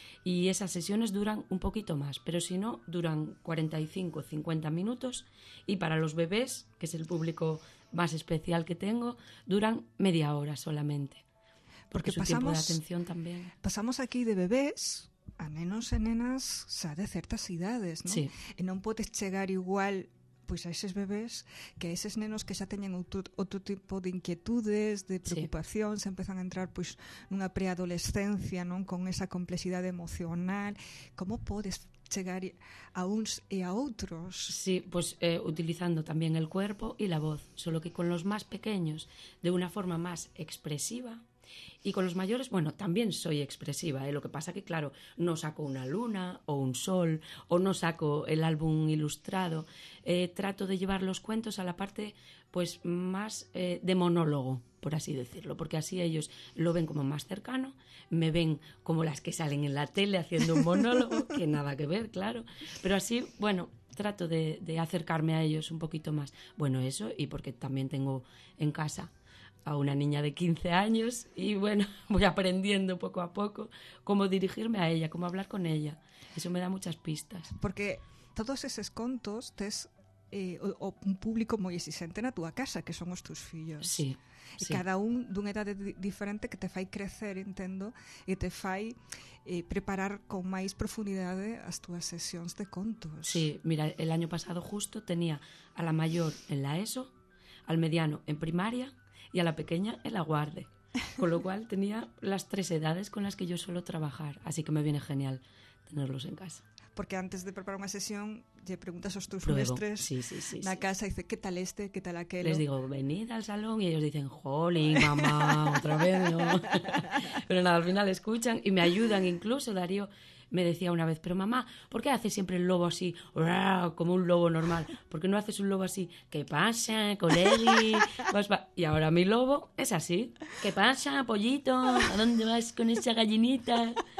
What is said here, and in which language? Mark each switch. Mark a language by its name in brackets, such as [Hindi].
[Spanish] Y esas sesiones duran un poquito más, pero si no, duran 45, 50 minutos. Y para los bebés, que es el público más especial que tengo, duran media hora solamente. Porque su tiempo de atención también. [Galician] Pasamos aquí de bebés a nenos e nenas xa de certas idades, non? Sí. E non podes chegar igual pois a eses bebés que a eses nenos que xa teñen outro tipo de inquietudes, de preocupacións, se empezan a entrar pois nunha preadolescencia, non, con esa complexidade emocional. Como podes chegar a uns e a outros? [Spanish] Sí, pues utilizando también el cuerpo y la voz, solo que con los más pequeños, de una forma más expresiva. Y con los mayores, bueno, también soy expresiva, ¿eh? Lo que pasa que, claro, no saco una luna o un sol o no saco el álbum ilustrado. Trato de llevar los cuentos a la parte pues más de monólogo, por así decirlo, porque así ellos lo ven como más cercano, me ven como las que salen en la tele haciendo un monólogo, que nada que ver, claro, pero así, bueno, trato de acercarme a ellos un poquito más. Bueno, eso, y porque también tengo en casa a una niña de 15 años y, bueno, voy aprendiendo poco a poco cómo dirigirme a ella, cómo hablar con ella. Eso me da muchas pistas. [Galician] Porque todos esos contos te es... o un público moi exigente na túa casa, que son os teus fillos. Sí, e cada un dunha edade diferente que te fai crecer, entendo, e te fai preparar con máis profundidade as túas sesións de contos. [Spanish] Sí, mira, el año pasado justo tenía a la maior en la ESO, al mediano en primaria e a la pequeña en la guarde. Con lo cual tenía las tres edades con las que yo suelo trabajar, así que me viene genial tenerlos en casa. [Galician] Porque antes de preparar unha sesión, lle preguntas aos teus mestres na casa, dice, que tal este, que tal aquel. [Spanish] Les digo, venid al salón, e ellos dicen, jolín, mamá, otra vez, ¿no? Pero nada, al final escuchan y me ayudan. Incluso Darío me decía una vez, pero mamá, ¿por qué haces siempre el lobo así, como un lobo normal? ¿Por qué no haces un lobo así, qué pasa, colegi? Y ahora mi lobo es así, qué pasa, pollito, ¿a dónde vas con esa gallinita?